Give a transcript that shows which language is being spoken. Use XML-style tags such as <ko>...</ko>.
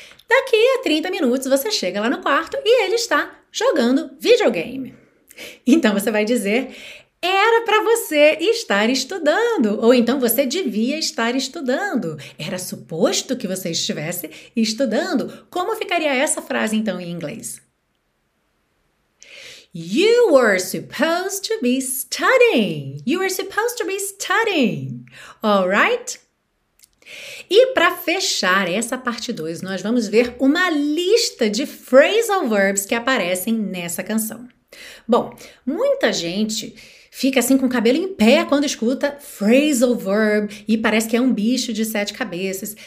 <pt>Daqui a 30 minutos, você chega lá no quarto e ele está jogando videogame. Então, você vai dizer, era para você estar estudando, ou então você devia estar estudando. Era suposto que você estivesse estudando. Como ficaria essa frase, então, em inglês?</pt> <en>You were supposed to be studying. You were supposed to be studying. All right?</en> <pt>E para fechar essa parte 2, nós vamos ver uma lista de phrasal verbs que aparecem nessa canção. Bom, muita gente fica assim com o cabelo em pé quando escuta phrasal verb e parece que é um bicho de sete cabeças.</pt>